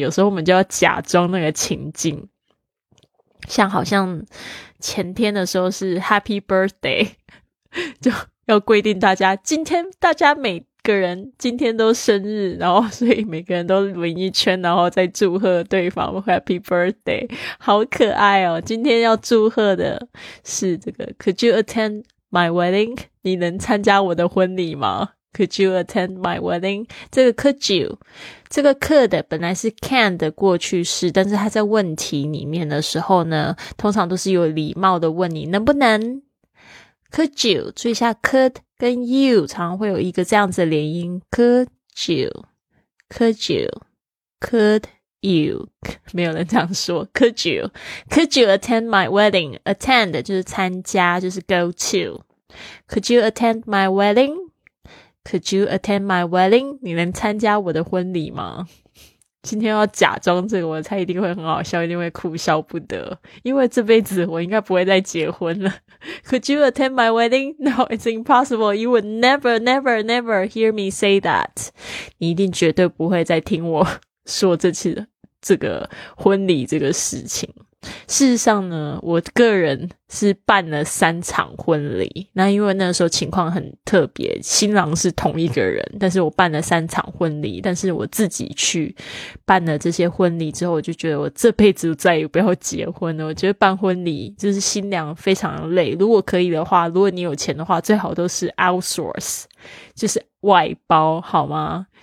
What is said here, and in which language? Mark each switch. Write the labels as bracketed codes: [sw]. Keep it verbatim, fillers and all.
[zh] 有时候我们就要假装那个情境，像好像前天的时候是 [en] Happy Birthday [zh] 就要规定大家今天大家每个人今天都生日，然后所以每个人都轮一圈，然后再祝贺对方 Happy Birthday。好可爱哦。今天要祝贺的是这个 [en] Could you attend my wedding？ [zh] 你能参加我的婚礼吗？ [en] Could you attend my wedding？ [zh] 这个 [en] could you [zh] 这个 could 本来是 can 的过去式，但是它在问题里面的时候呢，通常都是有礼貌的问你能不能。 [en] Could you [zh] 注意一下 could跟 you 常常会有一个这样子的连音 Could you [en] Could you? Could you? [zh] 没有人这样说。 [en] Could you? Could you attend my wedding? [zh] Attend 就是参加，就是 [en] go to. Could you attend my wedding? Could you attend my wedding? [zh] 你能参加我的婚礼吗？今天要假装这个，我猜一定会很好笑，一定会哭笑不得，因为这辈子我应该不会再结婚了。 [en] Could you attend my wedding? No, it's impossible. You would never, never, never hear me say that. [zh] 你一定绝对不会再听我说这次这个婚礼这个事情。事实上呢，我个人是办了三场婚礼，那因为那时候情况很特别，新郎是同一个人，但是我办了三场婚礼，但是我自己去办了这些婚礼之后，我就觉得我这辈子再也不要结婚了。我觉得办婚礼就是新娘非常累，如果可以的话，如果你有钱的话，最好都是 outsource， 就是外包，好吗？